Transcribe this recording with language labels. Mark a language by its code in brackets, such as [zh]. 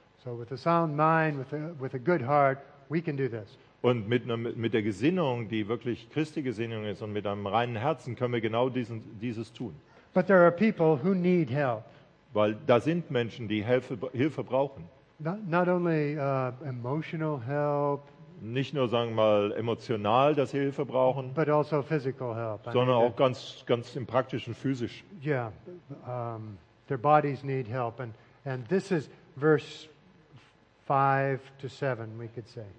[en] So with a sound mind, with a good heart, we can do this. [de] Und mit der Gesinnung, die wirklich Christi Gesinnung ist, und mit einem reinen Herzen können wir genau dieses tun. [en] But there are people who need help. [de] Weil da sind Menschen, die Hilfe brauchen. [en] Not only emotional help, [de] nicht nur, sagen wir mal, emotional, dass sie Hilfe brauchen, [en] but also physical help. [de] Sondern auch ganz, ganz im Praktischen, physisch. [en] Yeah, their bodies need help. And this is verse 5-7, we could say.